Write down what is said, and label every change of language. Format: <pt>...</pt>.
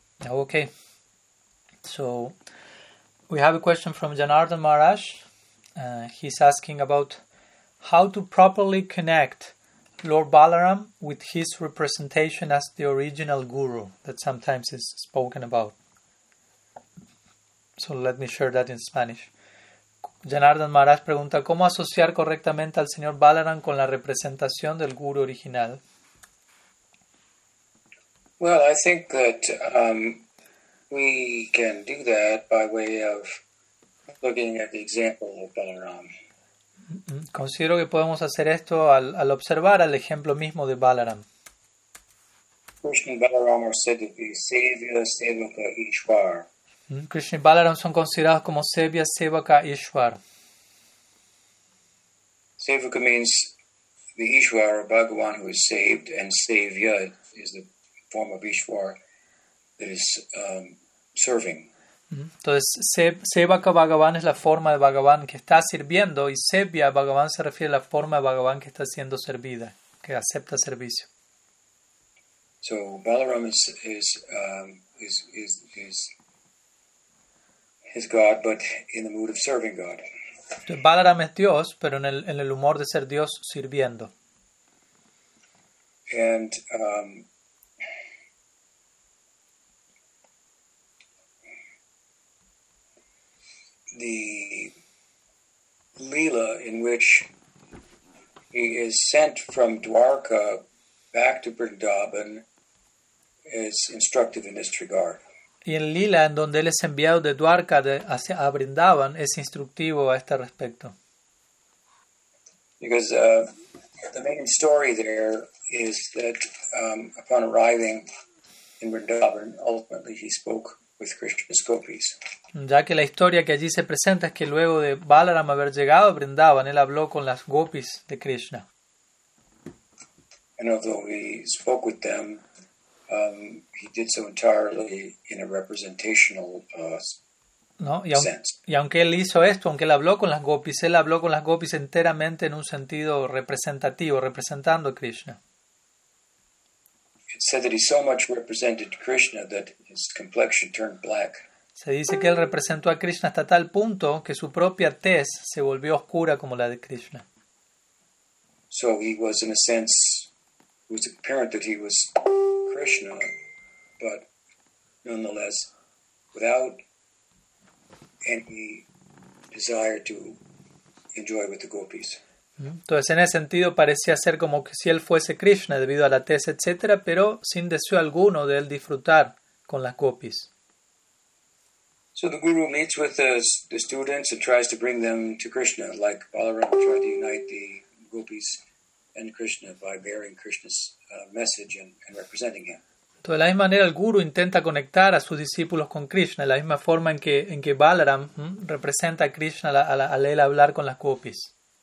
<en>Okay, so we have a question from Janardan Maharaj. He is asking about how to properly connect lord Balaram with his representation as the original guru that sometimes is spoken about. So let me share that in Spanish.</en> <es>Janardhan Maharaj pregunta, ¿cómo asociar correctamente al señor Balaram con la representación del guru original?</es> <en>Well, I think that we can do that by way of looking at the example of Balaram.</en> <es>Considero que podemos hacer esto al observar al ejemplo mismo de Balaram.</es> <en>Krishna and Balaram are said to be Sevya, Sevaka, Ishwar.</en> <es>Krishna y Balaram son considerados como Sevya, Sevaka, Ishwar.</es> <en>Sevaka means the Ishwar, or Bhagavan who is saved, and Sevya is the form of Ishwar that is serving.</en> <es>Entonces, Sevaka Bhagavan es la forma de Bhagavan que está sirviendo, y Sevya Bhagavan se refiere a la forma de Bhagavan que está siendo servida, que acepta servicio.</es> <en>So, Balaram is is God, but in the mood of serving God.</en> <es>Balaram es Dios, pero en el humor de ser Dios sirviendo.</es> <en>And the Leela in which he is sent from Dwarka back to Vrindavan is instructive in this regard.</en> <es>Y en Lila, en donde él es enviado de Dwarka a Vrindavan, es instructivo a este respecto.</es> <en>Because the main story there is that upon arriving in Vrindavan, ultimately he spoke with Krishna's gopis.</en> <es>Ya que la historia que allí se presenta es que luego de Balaram haber llegado a Vrindavan, él habló con las gopis de Krishna.</es> <en>And although he spoke with them, he did so entirely in a representational sense.</en> <es>Y aunque él hizo esto, aunque él habló con las gopis enteramente en un sentido representativo, representando a Krishna.</es> <en>It said that he so much represented Krishna that his complexion turned black.</en> <es>Se dice que él representó a Krishna hasta tal punto que su propia tez se volvió oscura como la de Krishna.</es> <en>So he was, in a sense, it was apparent that he was Krishna, but nonetheless, without any desire to enjoy with the gopis.</en> <es>Entonces, en ese sentido, parecía ser como que si él fuese Krishna debido a la tez, etcétera, pero sin deseo alguno de él disfrutar con las gopis.</es> <en>So the guru meets with the students and tries to bring them to Krishna, like Balaram tried to unite the gopis and Krishna by bearing Krishna's message and representing him.</en> <es>De la misma manera, el guru intenta conectar a sus discípulos con Krishna, de la misma forma en que Balaram representa a Krishna al él hablar con las gopis.</es>